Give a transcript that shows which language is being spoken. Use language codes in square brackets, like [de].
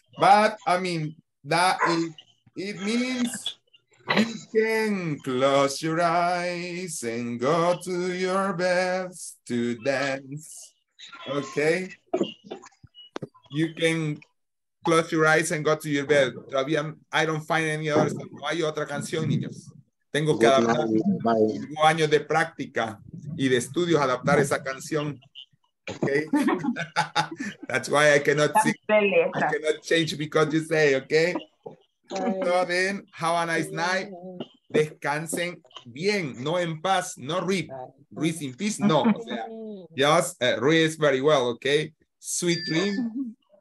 [en] But I mean, it means you can close your eyes and go to your best to dance. Okay. You can. Close your eyes and go to your bed. [es] Todavía, [en] I don't find any other song. [es] No hay otra canción, niños. Tengo que adaptar. Tengo años de práctica y de estudios adaptar esa canción. [en] Okay. That's why I cannot see. I cannot change because you say, okay. So then, have a nice night. [es] Descansen bien, no en paz, no rip. [en] Rest in peace, no. O sea, just rest very well, okay. Sweet dream.